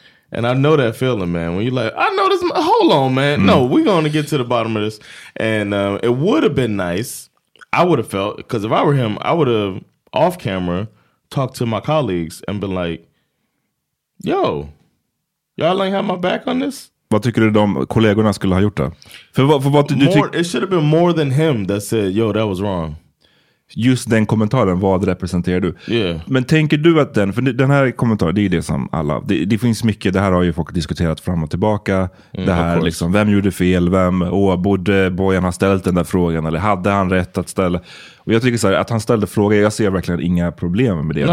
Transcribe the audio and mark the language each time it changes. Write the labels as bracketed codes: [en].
[en] And I know that feeling, man, when you're like, I know this, hold on, man. No, we're going to get to the bottom of this. And it would have been nice, I would have felt, because if I were him, I would have, off camera, talked to my colleagues and been like, yo, y'all ain't have my back on this? [sv] Vad tycker du de kollegorna skulle ha gjort då? [en] It should have been more than him that said, yo, that was wrong. [sv] Just den kommentaren, vad representerar du? [en] Yeah. [sv] Men tänker du att den, för den här kommentaren, det är det som alla, det finns mycket, det här har ju folk diskuterat fram och tillbaka. Det här liksom, vem gjorde fel, borde Bojan ha ställt den där frågan, eller hade han rätt att ställa? Och jag tycker så här, att han ställde frågan, jag ser verkligen inga problem med det. No.